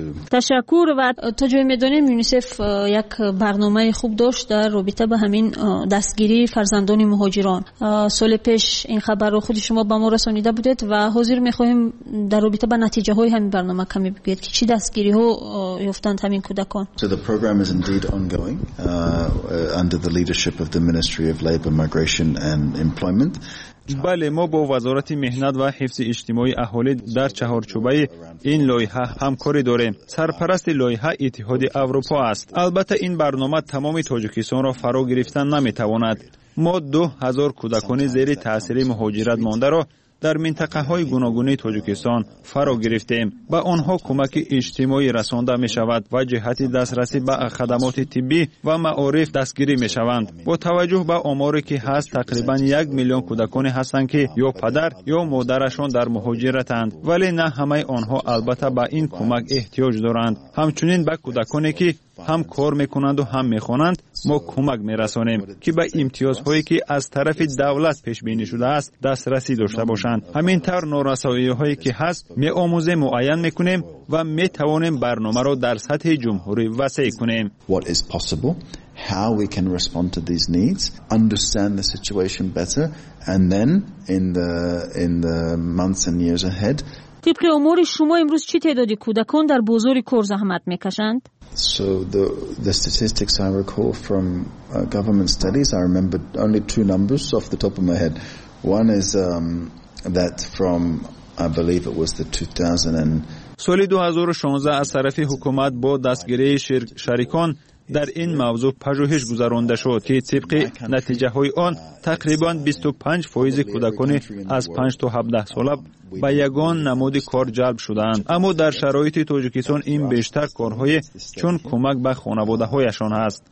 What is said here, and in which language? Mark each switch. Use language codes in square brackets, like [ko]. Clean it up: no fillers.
[fa] تشکر و تا جایی می‌دانیم یونیسف یک برنامه خوب داشت در رابطه به همین دستگیری فرزندان مهاجران. سال پیش این خبر رو خود شما به ما رسانیده بودید و حاضر می‌خواهیم در رابطه به نتیجه های همین برنامه کمی بگید که چی دستگیری ها یافتند همین کودکان. [en] So the program is indeed ongoing under the leadership of the Ministry of Labour, Migration and Employment. [fa] بله، ما با وزارت مهنت و حفظ اجتماعی اهالی در چهارچوبه این لایحه همکاری داریم. سرپرست لایحه اتحاد اروپا است. البته این برنامه تمام تاجیکستان را فرا گرفتن نمیتواند. ما 2000 کودکان زیر تاثیر مهاجرت مانده را در منطقه های گوناگونی تاجیکستان فرا گرفتیم. به آنها کمک اجتماعی رسانده می شود و جهت دسترسی به خدمات طبی و معارف دستگیری می شوند. با توجه به آماری که هست، تقریبا 1 میلیون کودکان هستند که یا پدر یا مادرشان در مهاجرتند، ولی نه همه آنها البته به این کمک احتیاج دارند. همچنین به کودکانی که هم کار میکنند و هم میخوانند ما کمک میرسانیم که به امتیازهایی که از طرف دولت پیش بینی شده است دسترسی داشته باشند. همین طور نارسایی هایی که هست میآموزیم، معین میکنیم و میتوانیم برنامه را در سطح جمهوری وسیع کنیم. [en] What is possible, how we can respond to these needs, understand the situation better, and then in the months and years ahead. [fa] طبق امور شما امروز چه تعدادی کودکان در بازار کار زحمت میکشند؟ [en] So the statistics I recall from government studies, I remember only two numbers off the top of my head. One is that from, I believe it was the 2000 and... [fa] سال 2016 از طرف حکومت با دستگیری شریکان در این موضوع پژوهش گذرانده شد که طبق نتیجه های آن تقریبا 25% کودکان از 5 تا 17 ساله با یگان نمود کار جلب شدند. اما در شرایط تاجیکستان این بیشتر کارهای چون کمک به خانواده هایشان است.